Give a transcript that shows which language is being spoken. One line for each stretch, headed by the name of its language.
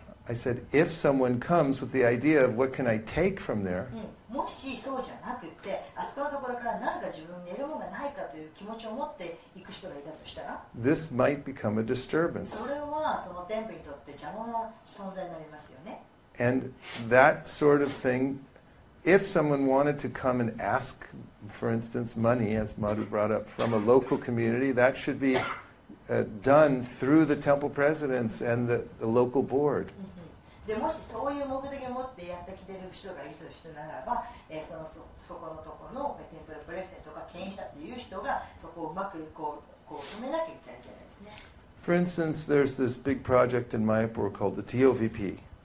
English: I said, if someone comes with the idea of what can I take from there,
Japanese: もしそうじゃなくて、あそこのところから何か自分に得るものがないかという気持ちを持って行く人がいたとしたら、
English: This might become a disturbance.
Japanese: それはそのテンプにとって邪魔な存在になりますよね。
English: And that sort of thing, if someone wanted to come and ask, for instance, money, as Madhu brought up, from a local community, that should be done through the temple presidents and the local board.
Japanese: でもしそういう目的を持ってやってきている人がいるとしてならば、そこのところのテンプルプレゼントとか権威者という人がそこをうまくこう止めなきゃいけないですね。
English: For instance, there's this big project in Mayapur called the TOVP.